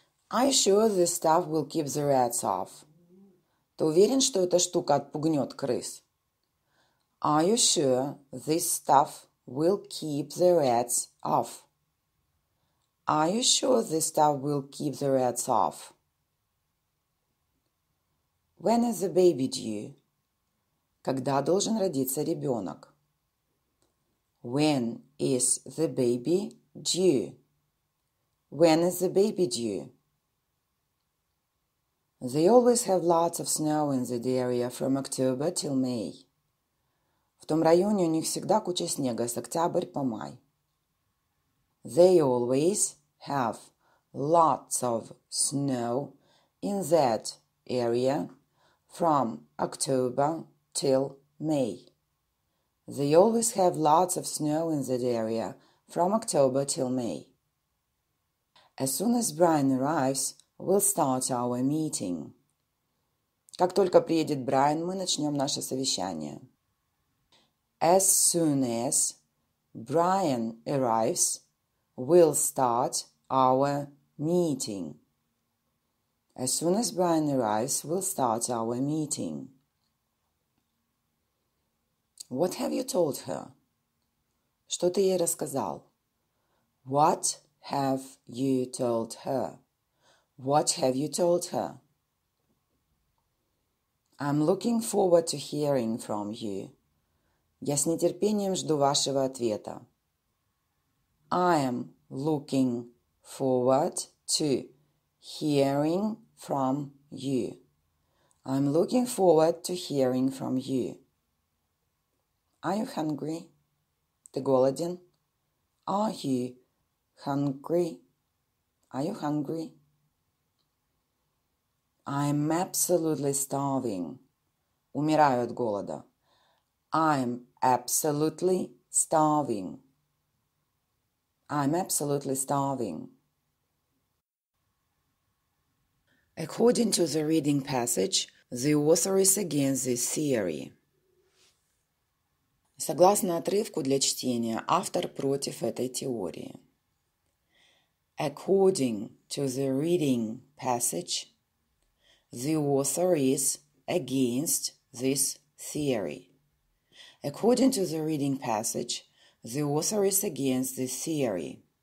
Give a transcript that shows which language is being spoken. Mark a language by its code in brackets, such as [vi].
[en] Are you sure this stuff will keep the rats off? [ru] Ты уверен, что эта штука отпугнет крыс? [en] Are you sure this stuff will keep the rats off? Are you sure this stuff will keep the rats off? When is the baby due? [ru] Когда должен родиться ребенок? [en] When is the baby due? When is the baby due? They always have lots of snow in that area from October till May. [ru] В том районе у них всегда куча снега с октябрь по май. [en] They always have lots of snow in that area from October till May. They always have lots of snow in that area from October till May. As soon as Brian arrives, we'll start our meeting. [ru] Как только приедет Брайан, мы начнем наше совещание. [en] As soon as Brian arrives, we'll start our meeting. As soon as Brian arrives, we'll start our meeting. What have you told her? [ru] Что ты ей рассказал? [en] What have you told her? What have you told her? I'm looking forward to hearing from you. [ru] Я с нетерпением жду вашего ответа. [en] I am looking forward to hearing from you. I'm looking forward to hearing from you. Are you hungry? [ru] Ты голоден? [en] Are you hungry? Are you hungry? I'm absolutely starving. [ru] Умираю от голода. [en] I'm absolutely starving. I'm absolutely starving. According to the reading passage, the author is against this theory. [ru] Согласно отрывку для чтения, автор против этой теории. [en] According to the reading passage, the author is against this theory. According to the reading passage, the author is against this theory.